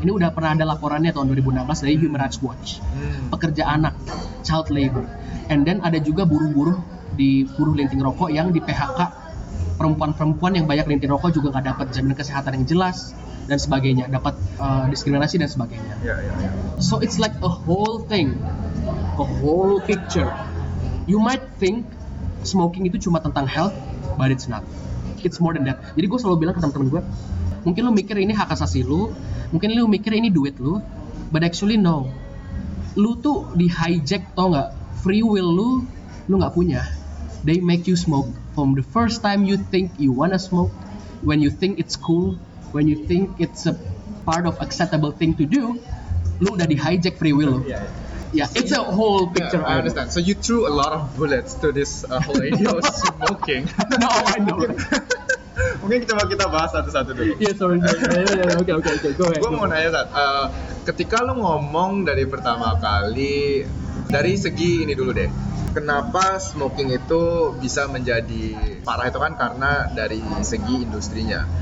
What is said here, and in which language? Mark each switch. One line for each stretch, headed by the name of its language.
Indonesian: Ini udah pernah ada laporannya tahun 2016 dari Human Rights Watch. Pekerja anak, child labor.
English: And then
Indonesian: ada juga buruh-buruh di buruh linting rokok yang di PHK. Perempuan-perempuan yang banyak linting rokok juga nggak dapat jaminan kesehatan yang jelas dan sebagainya, dapat diskriminasi dan sebagainya.
English: So it's like a whole thing, a whole picture. You might think smoking
Indonesian: itu cuma tentang
English: health, but it's not. It's more than that.
Indonesian: Jadi gue selalu bilang ke teman-teman gue, mungkin lu mikir ini hak asasi lu, mungkin lu mikir ini duit lu,
English: but actually no.
Indonesian: Lu tuh di hijack, tau nggak? Free will lu nggak punya.
English: They make you smoke. From the first time you think you wanna smoke, when you think it's cool, when you think it's a part of acceptable thing to do,
Indonesian: lu udah di hijack
English: free will. It's a whole picture. I understand. So you threw a lot of bullets to this whole idea of smoking. No, I know.
Indonesian: Mungkin kita bahas satu-satu dulu.
English: Okay, go ahead.
Indonesian: Gue mau nanya, Stan. Ketika lu ngomong dari pertama kali, dari segi ini dulu deh. Kenapa smoking itu bisa menjadi parah itu kan karena dari segi industrinya.